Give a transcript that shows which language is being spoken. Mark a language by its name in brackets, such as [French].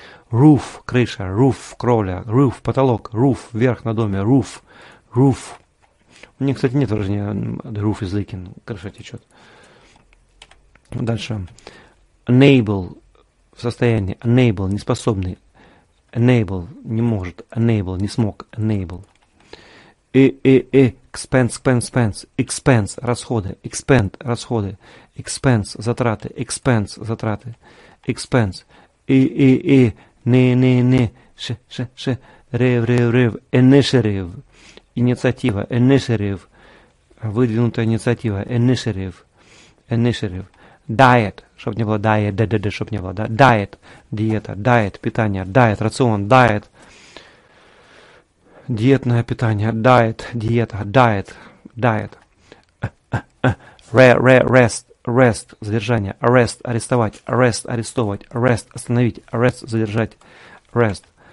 [English] Roof, крыша, roof, кровля, roof, потолок, roof, [Russian] верх на доме, [English] roof, roof. [Russian] У них, кстати, нет выражения [English] the roof is leaking, [Russian] крыша течет. Дальше. Enable, в состоянии, enable, неспособный, enable, не может, enable, не смог, enable. [English] И, expense, expense, expense, expense, расходы, expend, расходы, expense, затраты, expense, затраты, expense. И, не, ше, рев, initiative, инициатива, initiative, [Russian] выдвинутая инициатива, [English] initiative, initiative. [Russian] Diet, чтобы не было diet, да, чтобы не было, да, diet, диета, diet, питание, diet, рацион, diet. Диетное питание, diet, диета, diet, diet. [English] Rest, rest, задержание, arrest, арестовать, arrest, арестовывать, arrest, остановить, arrest, задержать, rest.